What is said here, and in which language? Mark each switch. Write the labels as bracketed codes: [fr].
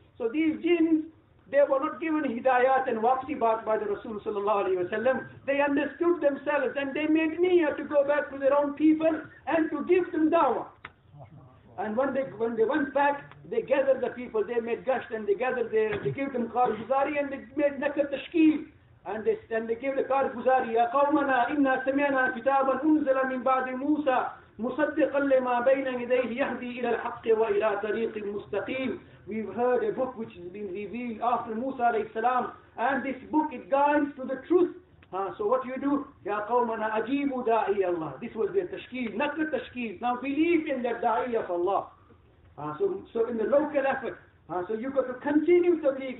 [en] So these jinns, they were not given hidayat and waqtibat by the Rasul sallallahu alayhi wa sallam. They understood themselves and they made niyyah to go back to their own people and to give them dawah. And when they went back, they gathered the people, they made gasht and they gathered their, they gave them karguzari and they made nakat tashkeel. And they gave the karguzari, [ar] يَا قَوْمَنَا إِنَّا سَمِعْنَا كِتَابًا أُنزَلَ مِنْ بَعْدِ مُوسَى مُصَدِّقًا لِمَا بَيْنَ يَدَيْهِ يَهْدِي إِلَى الْحَقِّ وَإِلَى طَرِيقٍ مُسْتَقِيمٍ. [en] We've heard a book which has been revealed after Musa alayhi salam, and this book, it guides to the truth. So what you do? [ar] يَا قَوْمَنَا أَجِيبُوا دَاعِيَ اللَّهِ. [en] This was their tashkeel, not the tashkeel. Now believe in their da'iyah of Allah. So in the local effort. So you've got to continue tabligh.